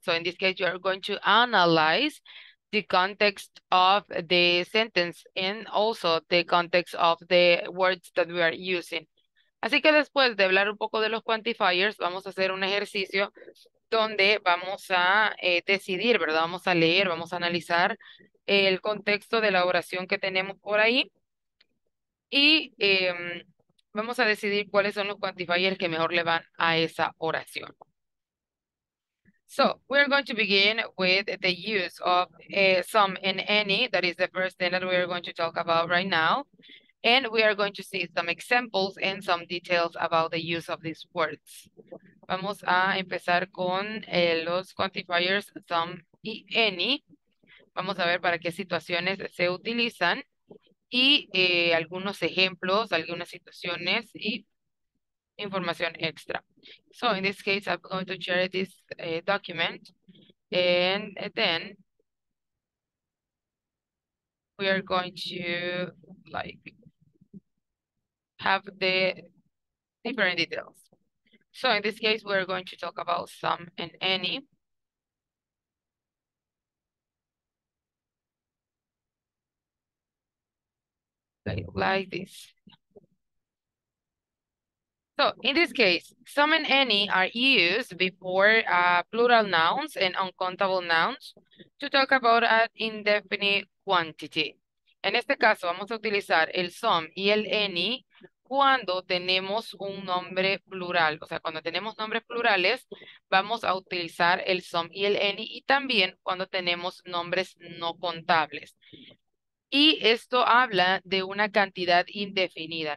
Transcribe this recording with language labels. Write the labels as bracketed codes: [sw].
[en] So in this case, you are going to analyze the context of the sentence and also the context of the words that we are using. [es] Así que después de hablar un poco de los quantifiers, vamos a hacer un ejercicio donde vamos a decidir, ¿verdad? Vamos a leer, vamos a analizar el contexto de la oración que tenemos por ahí y vamos a decidir cuáles son los quantifiers que mejor le van a esa oración. [en] So, we're going to begin with the use of some and any. That is the first thing that we are going to talk about right now. And we are going to see some examples and some details about the use of these words. [es] Vamos a empezar con los quantifiers some y any. Vamos a ver para qué situaciones se utilizan y algunos ejemplos, algunas situaciones y información extra. [en] So in this case, I'm going to share this document and then we are going to like have the different details. So in this case, we're going to talk about some and any. Like this. So in this case, some and any are used before plural nouns and uncountable nouns to talk about an indefinite quantity. [es] En este caso, vamos a utilizar el some y el any cuando tenemos un nombre plural. O sea, cuando tenemos nombres plurales, vamos a utilizar el some y el any y también cuando tenemos nombres no contables. Y esto habla de una cantidad indefinida.